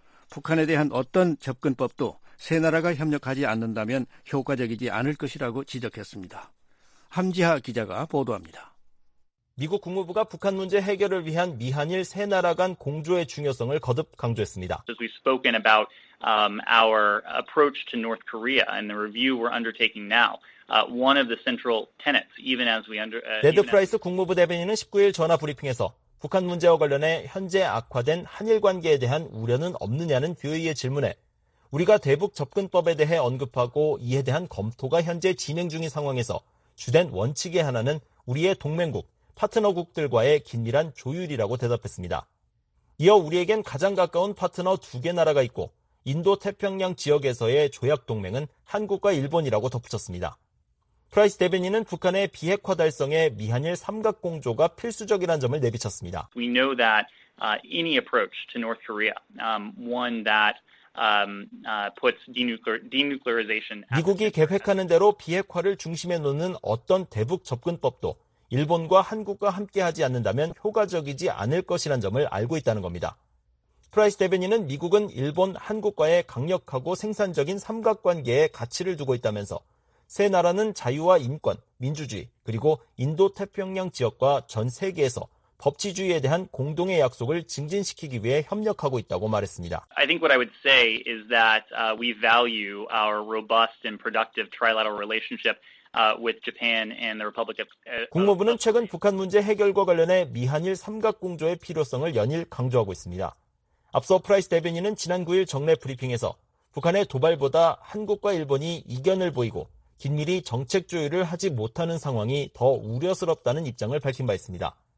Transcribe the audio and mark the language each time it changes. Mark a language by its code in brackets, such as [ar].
[ko] 북한에 대한 어떤 접근법도 세 나라가 협력하지 않는다면 효과적이지 않을 것이라고 지적했습니다. 함지하 기자가 보도합니다. 미국 국무부가 북한 문제 해결을 위한 미한일 세 나라 간 공조의 중요성을 거듭 강조했습니다. [en] As we've spoken about our approach to North Korea and the review we're undertaking now. One of the central tenets, even as we under [ko] 레드 프라이스 국무부 대변인은 19일 전화 브리핑에서 북한 문제와 관련해 현재 악화된 한일 관계에 대한 우려는 없느냐는 VOA의 질문에 우리가 대북 접근법에 대해 언급하고 이에 대한 검토가 현재 진행 중인 상황에서 주된 원칙의 하나는 우리의 동맹국, 파트너국들과의 긴밀한 조율이라고 대답했습니다. 이어 우리에겐 가장 가까운 파트너 두 개 나라가 있고 인도-태평양 지역에서의 조약 동맹은 한국과 일본이라고 덧붙였습니다. 프라이스 대변인은 북한의 비핵화 달성에 미한일 삼각공조가 필수적이라는 점을 내비쳤습니다. [en] We know that any approach to North Korea, one that puts denuclearization [ko] 미국이 계획하는 대로 비핵화를 중심에 놓는 어떤 대북 접근법도 일본과 한국과 함께하지 않는다면 효과적이지 않을 것이란 점을 알고 있다는 겁니다. 프라이스 대변인은 미국은 일본, 한국과의 강력하고 생산적인 삼각관계에 가치를 두고 있다면서 세 나라는 자유와 인권, 민주주의, 그리고 인도-태평양 지역과 전 세계에서 법치주의에 대한 공동의 약속을 증진시키기 위해 협력하고 있다고 말했습니다. [en] I think what I would say is that we value our robust and productive trilateral relationship with Japan and the Republic of [ko] 국무부는 최근 북한 문제 해결과 관련해 미한일 삼각공조의 필요성을 연일 강조하고 있습니다. 앞서 프라이스 대변인은 지난 9일 정례 브리핑에서 북한의 도발보다 한국과 일본이 이견을 보이고 긴밀히 정책 조율을 하지 못하는 상황이 더 우려스럽다는 입장을 밝힌 바 있습니다.